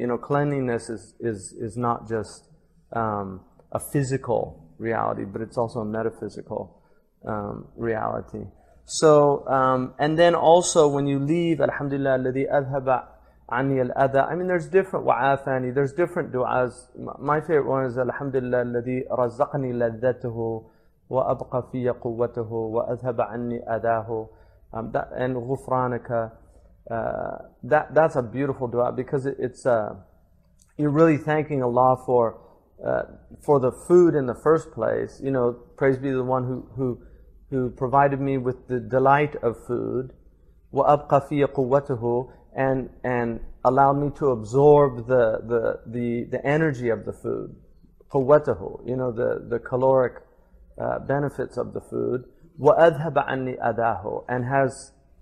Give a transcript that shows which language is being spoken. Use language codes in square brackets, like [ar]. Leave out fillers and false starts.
[en] You know, cleanliness is not just a physical reality, but it's also a metaphysical reality. So, and then also when you leave, Alhamdulillah, [ar] الَّذِي أَذْهَبَ عَنِّي الْأَذَى. [en] I mean, there's different wa'afani, there's different du'as. My favorite one is, [ar] Alhamdulillah, الَّذِي رَزَّقْنِي لَذَّتَهُ وَأَبْقَى فِيَّ قُوَّتَهُ وَأَذْهَبَ عَنِّي أَذَاهُ. [en] And غُفْرَانَكَ. That's a beautiful du'a, because you're really thanking Allah for the food in the first place. You know, praise be the one who provided me with the delight of food, [ar] وَأَبْقَى فِيَّ قُوَّتُهُ, [en] and allowed me to absorb the energy of the food, قُوَّتُهُ, you know, the caloric benefits of the food, [ar] وَأَذْهَبَ عَنِّي أَذَاهُ, [en] and has